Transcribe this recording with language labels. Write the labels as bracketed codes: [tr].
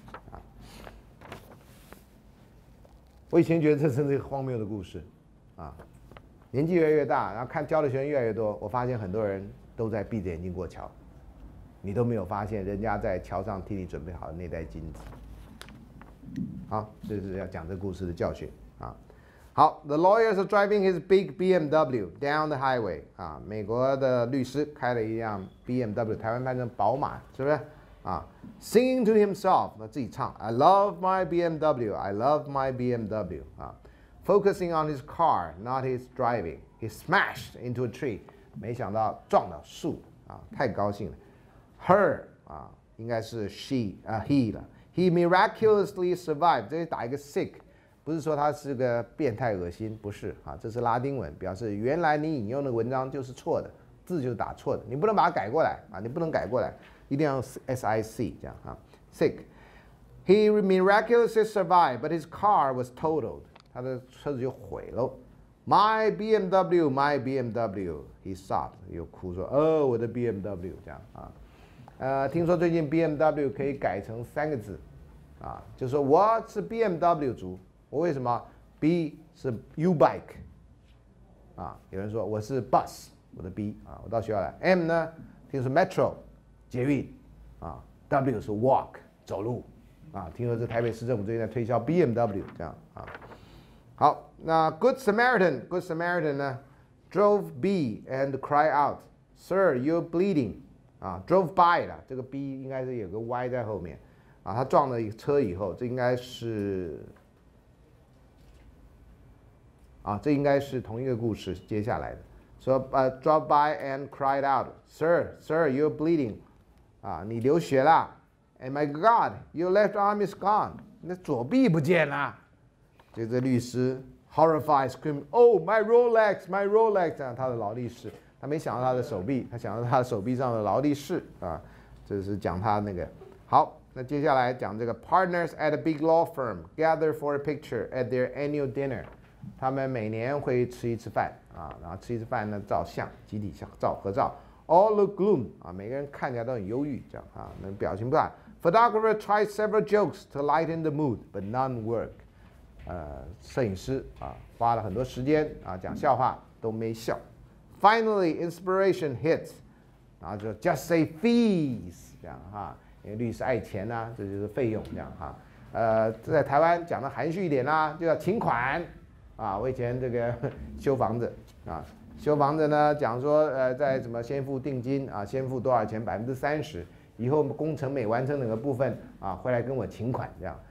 [zh] 啊，我以前觉得这真是一个荒谬的故事，啊，年纪越来越大，然后看教的学生越来越多，我发现很多人都在闭着眼睛过桥，你都没有发现人家在桥上替你准备好的那袋金子。好，这是要讲这故事的教训啊。 [en] 好 ，The lawyer is driving his big BMW down the highway。 [zh] 啊，美国的律师开了一辆 BMW， 台湾翻成宝马，是不是？ [en] 啊 ，singing to himself， [zh] 那自己唱 [en] ，I love my BMW， I love my BMW。啊 ，focusing on his car， not his driving。 He smashed into a tree， [zh] 没想到撞到树，啊，太高兴了。 Her， 啊，应该是 she， 啊 ，he 了。 [en] He miraculously survived。 [zh] 这里打一个 sick。不是说他是个变态恶心，不是啊，这是拉丁文，表示原来你引用的文章就是错的，字就打错的，你不能把它改过来啊，你不能改过来，一定要 SIC 这样啊 ，sick。 [en] He miraculously survived, but his car was totaled. [zh] 他的车子就毁了。 [en] My BMW, my BMW. He sobbed, [zh] 又哭说，哦，我的 BMW 这样啊。听说最近 BMW 可以改成三个字，啊，就说我是 BMW 族。我为什么 B 是 U bike 啊？有人说我是 bus， 我的 B 啊，我到学校来。M 呢，听说 metro 捷运啊 ，W 是 walk 走路啊。听说这台北市政府最近在推销 BMW 这样啊。好，那 Good Samaritan 呢 ， [en] drove B and cry out， Sir， you're bleeding [zh] 啊 ，drove by 了，这个 B 应该是有个 Y 在后面啊，他撞了一个车以后，这应该是。啊，这应该是同一个故事接下来的，说 [en] drop by and cried out, Sir, Sir, you're bleeding, [zh] 啊，你流血了 ， [en] And my God, your left arm is gone, [zh] 那左臂不见了，这律师 [en] horrified, scream, Oh, my Rolex, [zh] 啊，他的劳力士，他没想到他的手臂，他想到他的手臂上的劳力士，啊，这是讲他那个，好，那接下来讲这个 [en] partners at a big law firm gather for a picture at their annual dinner。 [zh] 他们每年会吃一次饭啊，然后吃一次饭呢，照相，集体相照合照。 [en] All look gloom [zh] 啊，每个人看起来都很忧郁，这样啊，那表情不大。 [en] Photographer tried several jokes to lighten the mood, but none work。 [zh] 摄影师啊，花了很多时间啊，讲笑话都没笑。 [en] Finally, inspiration hits， [zh] 然后就 [en] just say fees [zh] 这样哈、啊，因为律师爱钱呐、啊，这就是费用这样哈、啊。在台湾讲的含蓄一点啦、啊，就叫请款。啊，我以前这个修房子啊，修房子呢，讲说在什么先付定金啊，先付多少钱30%，以后工程没完成哪个部分啊，回来跟我请款这样。